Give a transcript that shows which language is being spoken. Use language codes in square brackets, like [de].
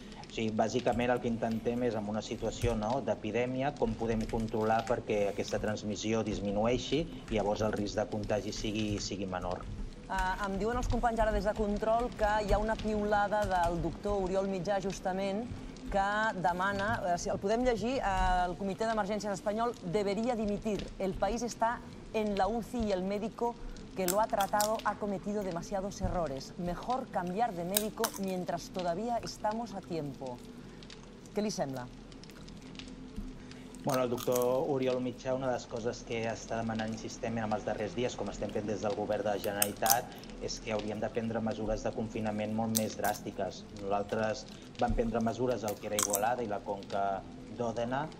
[ca] O sigui, bàsicament el que intentem és, en una situació, no?, d'epidèmia, com podem controlar perquè aquesta transmissió disminueixi i llavors el risc de contagi sigui menor. Em diuen els companys ara des de control que hi ha una piulada del doctor Oriol Mitjà, justament, que demana, si el podem llegir, el Comitè d'Emergències Espanyol [es] debería dimitir. El país está en la UCI y el médico que lo ha tratado ha cometido demasiados errores. Mejor cambiar de médico mientras todavía estamos a tiempo. [ca] Què li sembla? Bueno, el doctor Oriol Mitjà, una de les coses que està demanant insistentment en els darrers dies, com estem fent des del govern de la Generalitat, és que hauríem de prendre mesures de confinament molt més dràstiques. Nosaltres vam prendre mesures al que era Igualada i la Conca d'Òdena.